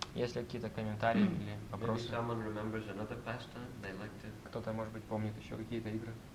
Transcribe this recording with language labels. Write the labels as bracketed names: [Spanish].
[Russian] Есть ли какие-то комментарии или вопросы? [English] Maybe someone remembers another pastime they like to... [Russian] Кто-то, может быть, помнит еще какие-то игры?